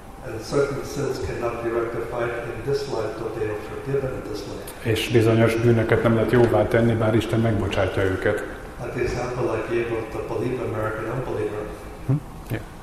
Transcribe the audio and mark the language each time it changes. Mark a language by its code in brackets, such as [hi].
[en] And certain sins cannot be rectified in this life, though they are forgiven in this life. [hu] És bizonyos bűnöket nem lehet jóvá tenni, bár Isten megbocsátja őket. [en] Like example, like Eve of the believer married an unbeliever.